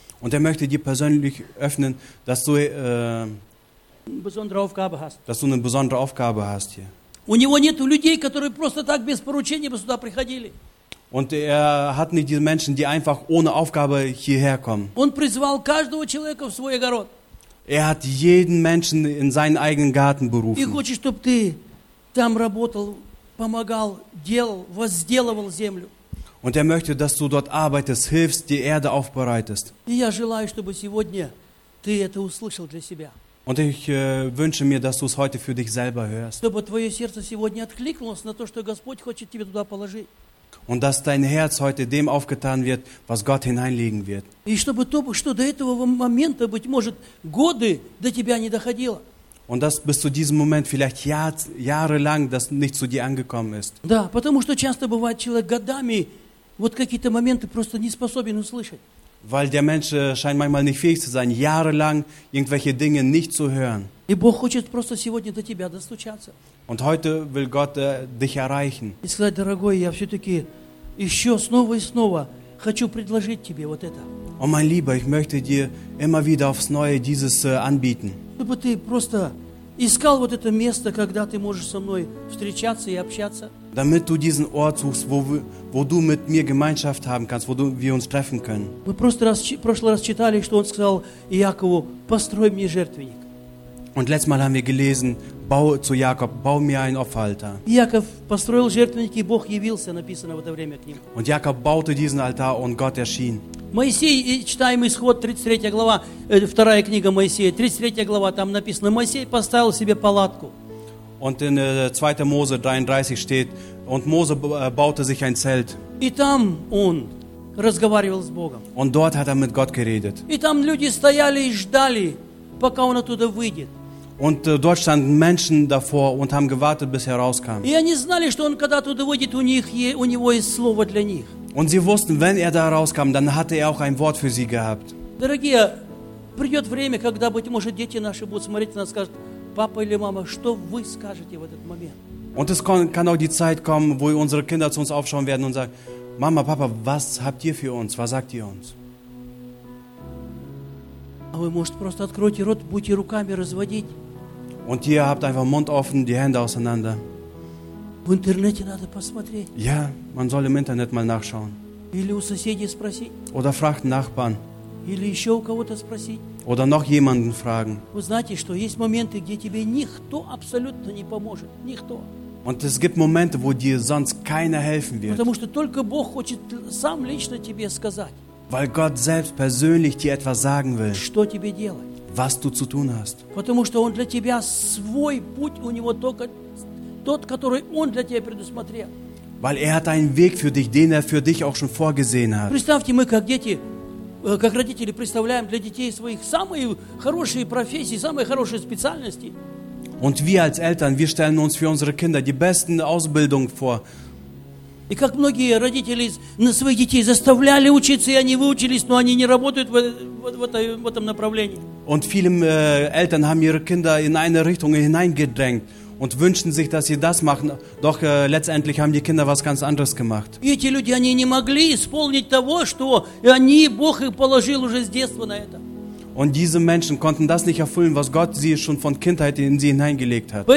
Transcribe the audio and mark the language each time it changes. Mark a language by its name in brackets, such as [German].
[German] Und möchte dir persönlich öffnen, dass du eine besondere Aufgabe hast hier. [Russian] У него нет людей, которые просто так без поручения бы сюда приходили. [German] Und hat nicht die Menschen, die einfach ohne Aufgabe hierher kommen. [Russian] Он призвал каждого человека в свой огород. [German] Hat jeden Menschen in seinen eigenen Garten berufen. [Russian] И хочет, чтобы ты там работал, помогал, делал, возделывал землю. [German] Und möchte, dass du dort arbeitest, hilfst, die Erde aufbereitest. [Russian] И я желаю, чтобы сегодня ты это услышал для себя. [German] Und ich wünsche mir, dass du es heute für dich selber hörst. [Russian] Чтобы твое сердце сегодня откликнулось на то, что Господь хочет тебе туда положить. [German] Und dass dein Herz heute dem aufgetan wird, was Gott hineinlegen wird. [Russian] И чтобы то, что до этого момента, быть может, годы до тебя не доходило. [German] Und dass bis zu diesem Moment vielleicht jahrelang das nicht zu dir angekommen ist. [Russian] Да, потому что часто бывает человек годами вот какие-то моменты просто не способен услышать. [German] Weil der Mensch scheint manchmal nicht fähig zu sein, jahrelang irgendwelche Dinge nicht zu hören. [Russian] И Бог хочет просто сегодня до тебя достучаться. [German] Und heute will Gott dich erreichen. [Russian] И сказать, дорогой, я все-таки еще снова и снова хочу предложить тебе вот это. [German] Oh, mein Lieber, ich möchte dir immer wieder aufs Neue dieses anbieten. [Russian] Чтобы ты просто искал вот это место, когда ты можешь со мной встречаться и общаться. [German] Damit du diesen Ort suchst, wo du mit mir Gemeinschaft haben kannst, wir uns treffen können. [Russian] Мы в прошлый раз читали, что он сказал Иакову, построй мне жертвенник. [German] Und letztes Mal haben wir gelesen, bau zu Jakob, bau mir ein Opferaltar. [Russian] Jakob построил жертвенник, и Бог явился, написано в это время к ним. [German] Und Jakob baute diesen Altar und Gott erschien. [Russian] Моисей, читаем Исход 33 глава, вторая книга Моисея, 33 глава, там написано: Моисей поставил себе палатку. [German] Und in 2. Mose 33 steht: Und Mose baute sich ein Zelt. [Russian] И там он разговаривал с Богом. [German] Und dort hat mit Gott geredet. [Russian] И там люди стояли и ждали, пока он оттуда выйдет. [German] Und dort standen Menschen davor und haben gewartet, bis er rauskam. [Russian] И они знали, что он когда оттуда выйдет, у него есть слово для них. [German] Und sie wussten, wenn er da rauskam, dann hatte er auch ein Wort für sie gehabt. [Russian] Дорогие, придет время, когда, быть может, дети наши будут смотреть на нас и скажут: Папа или мама, что вы скажете в этот момент? [German] Und es kann auch die Zeit kommen, wo unsere Kinder zu uns aufschauen werden und sagen: Mama, Papa, was habt ihr für uns? Was sagt ihr uns? [Russian] А вы, может, просто откройте рот, будьте руками разводить. [German] Und ihr habt einfach Mund offen, die Hände auseinander. [Russian] В интернете надо посмотреть. [German] Ja, man soll im Internet mal nachschauen. [Russian] Или у соседей спросить. [German] Oder fragt Nachbarn. [Russian] Или еще у кого-то спросить. [German] Oder noch jemanden fragen. [Russian] Вы знаете, что есть моменты, где тебе никто абсолютно не поможет. Никто. [German] Und es gibt Momente, wo dir sonst keiner helfen wird. [Russian] Потому что только Бог хочет сам лично тебе сказать. [German] Weil Gott selbst persönlich dir etwas sagen will. [Russian] Что тебе делать? [German] Was du zu tun hast. [Russian] Потому что он для тебя свой путь, у него только тот, который он для тебя предусмотрел. [German] Weil er hat einen Weg für dich, den er für дich auch schon vorgesehen hat. [Russian] Представьте, мы как дети, как родители представляем для детей своих самые хорошие профессии, самые хорошие специальности. [German] Und wir als Eltern, wir stellen uns für unsere Kinder die besten Ausbildungen vor. [Russian] И как многие родители на своих детей заставляли учиться, и они выучились, но они не работают в этом направлении. [German] Und viele Eltern haben ihre Kinder in eine Richtung hineingedrängt und wünschen sich, dass sie das machen, doch letztendlich haben die Kinder was ganz anderes gemacht. [Russian] И эти люди, они не могли исполнить того, что они, Бог их положил уже с детства на это. [German] Und diese Menschen konnten das nicht erfüllen, was Gott sie schon von Kindheit in sie hineingelegt hat.